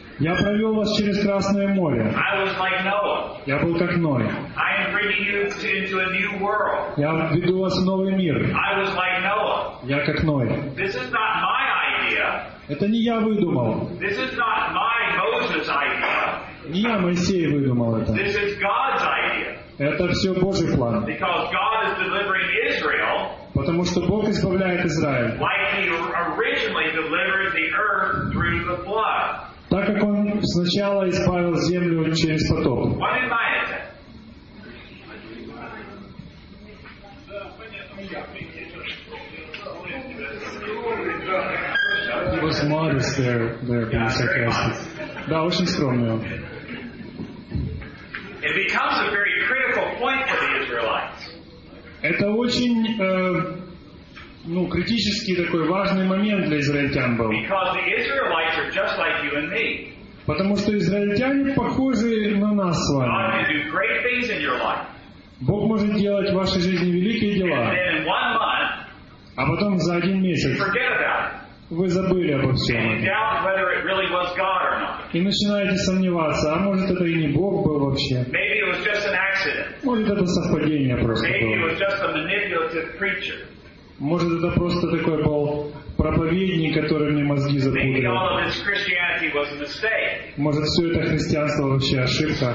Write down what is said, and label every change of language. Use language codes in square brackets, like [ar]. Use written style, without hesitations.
[ru] Я провел вас через Красное море. [en] I was like Noah. [ru] Я был как Ной. [en] I am bringing you into a new world. [ru] Я веду вас в новый мир. [en] I was like Noah. [ru] Я как Ной. [en] This is not my idea. [ru] Это не я выдумал. [en] This is not my Moses idea. [ru] Не я, Моисей, выдумал это. [en] This is God's idea. [ru] Это все Божий план. [en] Because God is delivering Israel. [ru] Потому что Бог избавляет Израиль. [en] Like he originally delivered the earth through the flood. [ru] Так как он сначала избавил землю через потоп. [en] What is my idea? He was modest there, being sarcastic. [ru] Да, очень скромный он. [en] It becomes a very critical point for the Israelites. [ru] Это очень критический такой важный момент для израильтян был. [en] Because the Israelites are just like you and me. [ru] Потому что израильтяне похожи на нас с вами. [en] God can do great things in your life. [ru] Бог может делать в вашей жизни великие дела. [en] And then in one month, [ru] а потом за один месяц вы забыли обо всем. [en] And you doubt whether it really was God or not. [ru] И начинаете сомневаться, а может это и не Бог был вообще. [en] Maybe it was just an accident. [ru] Может это совпадение просто [en] Maybe [ru] было. [en] It was just a manipulative preacher. [ru] Может это просто такой был проповедник, который мне мозги запутал. [en] Maybe all of this Christianity was a mistake. [ru] Может все это христианство вообще ошибка.